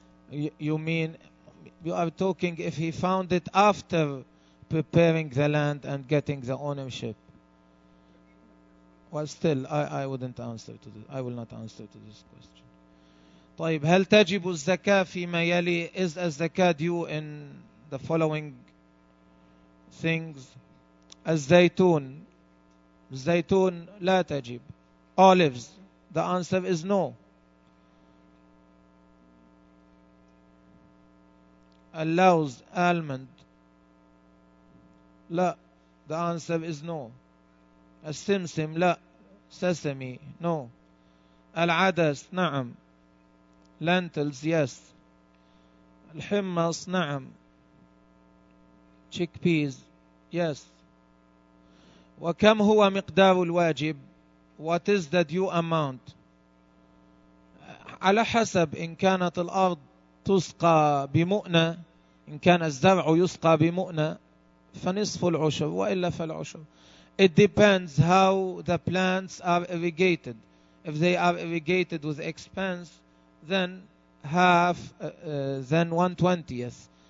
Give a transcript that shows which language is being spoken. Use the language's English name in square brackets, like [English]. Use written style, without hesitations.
[English] You mean, you are talking if he found it after preparing the land and getting the ownership. Well, still, I wouldn't answer to this. I will not answer to this question. [Arabic] طيب, هل تجب الزكاة فيما يلي? [English] Is a زكاة due in the following things? [Arabic] الزيتون. الزيتون لا تجب. [English] Olives. The answer is no. Allows almond. [Arabic] لا. [English] The answer is no. [Arabic] السمسم لا. [English] Sesame no. [Arabic] العدس نعم. [English] Lentils yes. [Arabic] الحمص نعم. [English] Chickpeas yes. [Arabic] وكم هو مقدار الواجب? [English] What is the due amount? [Arabic] على حسب إن كانت الأرض تسقى بمؤنة. إن كان الزرع يسقى بمؤنة فنصف العشر وإلا فالعشر. [English] It depends how the plants are irrigated. If they are irrigated with expense, then half, then 1/20.